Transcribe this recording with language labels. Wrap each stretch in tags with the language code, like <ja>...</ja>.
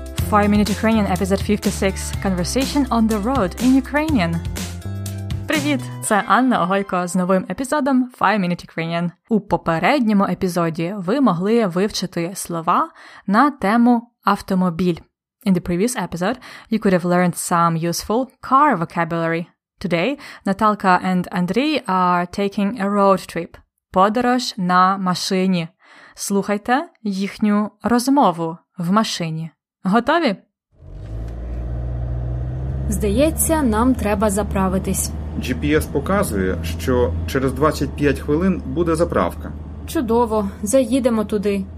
<en>5-Minute Ukrainian, епізод 56. Conversation on the road in Ukrainian.</en> <uk>Привіт! Це Анна Огойко з новим епізодом 5-Minute Ukrainian. У попередньому епізоді ви могли вивчити слова на тему автомобіль.</uk> <en>In the previous episode, you could have learned some useful car vocabulary. Today, Наталка and Андрій are taking a road trip.</en> <uk>Подорож на машині. Слухайте їхню розмову в машині. Готові? Здається, нам треба заправитись. GPS показує, що через 25 хвилин буде заправка. Чудово, заїдемо туди.</uk>